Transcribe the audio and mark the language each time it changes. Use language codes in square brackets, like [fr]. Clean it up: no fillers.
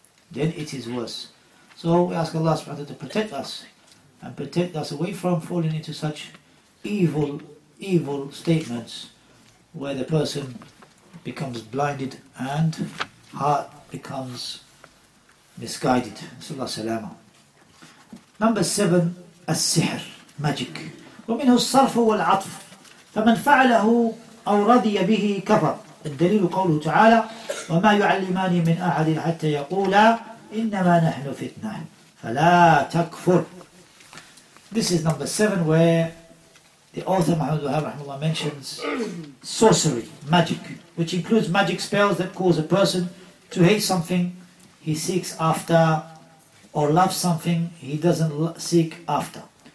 [en] Then it is worse. So we ask Allah subhanahu wa ta'ala to protect us, and protect us away from falling into such evil, evil statements, where the person becomes blinded and heart becomes misguided. Sallallahu alayhi wa sallam. Number 7, as-sihr, magic. [ar] ومنه الصرف والعطف فمن فعله أو رضي به كفر الدليل قوله تعالى وما يعلمان من أحد حتى يقولا إنما نحن فتنة فلا تكفر. [en] This is number 7, where the author Muhammad Wahab rahimahullah mentions sorcery, magic, which includes magic spells that cause a person to hate something he seeks after, or love something he doesn't seek after.